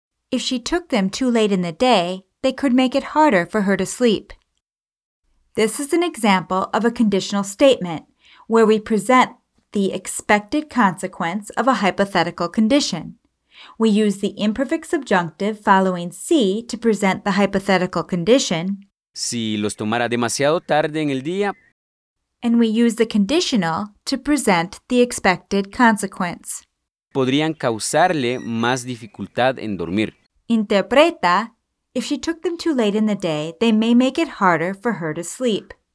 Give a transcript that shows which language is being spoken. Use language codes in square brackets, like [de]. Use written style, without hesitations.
[en] If she took them too late in the day, they could make it harder for her to sleep. This is an example of a conditional statement where we present the expected consequence of a hypothetical condition. We use the imperfect subjunctive following C to present the hypothetical condition. [es] Si los tomara demasiado tarde en el día. [en] And we use the conditional to present the expected consequence. [es] Podrían causarle más dificultad en dormir. [en] Interpreta, if she took them too late in the day, they may make it harder for her to sleep.